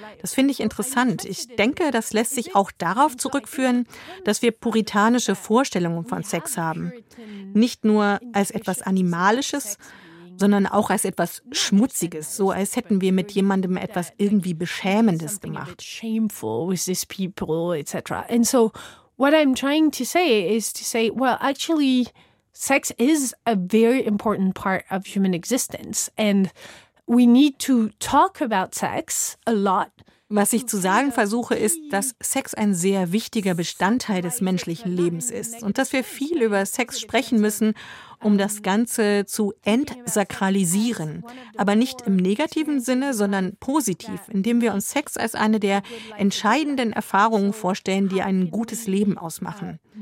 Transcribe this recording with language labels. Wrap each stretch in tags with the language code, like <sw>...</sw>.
<de>Das finde ich interessant. Ich denke, das lässt sich auch darauf zurückführen, dass wir puritanische Vorstellungen von Sex haben. Nicht nur als etwas Animalisches, sondern auch als etwas Schmutziges, so als hätten wir mit jemandem etwas irgendwie Beschämendes gemacht.</de> <en>Shameful with these people, etc. And so, what I'm trying to say is to say, well, actually, sex is a very important part of human existence, and we need to talk about sex a lot.</en> <de>Was ich zu sagen versuche, ist, dass Sex ein sehr wichtiger Bestandteil des menschlichen Lebens ist und dass wir viel über Sex sprechen müssen, um das Ganze zu entsakralisieren. Aber nicht im negativen Sinne, sondern positiv, indem wir uns Sex als eine der entscheidenden Erfahrungen vorstellen, die ein gutes Leben ausmachen.</de>